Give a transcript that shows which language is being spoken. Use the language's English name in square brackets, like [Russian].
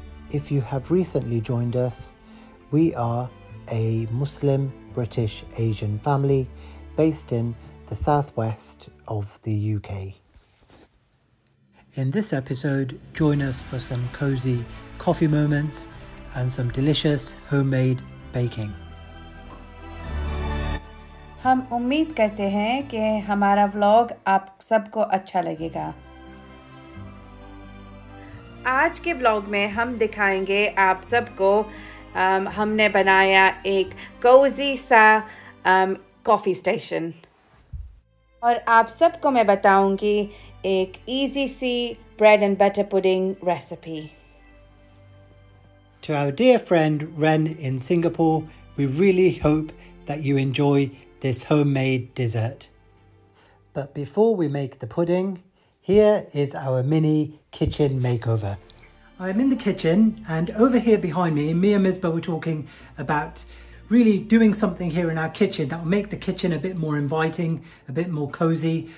[English] If you have recently joined us, we are a Muslim British Asian family based in the southwest of the UK. In this episode, join us for some cozy coffee moments and some delicious homemade baking. [Hindi] हम उम्मीद करते हैं कि हमारा vlog आप सबको अच्छा लगेगा। आज के व्लॉग में हम दिखाएंगे आप सबको हमने बनाया एक कोजी सा कॉफी स्टेशन और आप सबको मैं बताऊंगी एक easy C bread and butter pudding recipe. [English] To our dear friend Ren in Singapore, we really hope that you enjoy this homemade dessert. But before we make the pudding, here is our mini kitchen makeover. I'm in the kitchen and over here behind me and Mizba were talking about really doing something here in our kitchen that will make the kitchen a bit more inviting, a bit more cozy.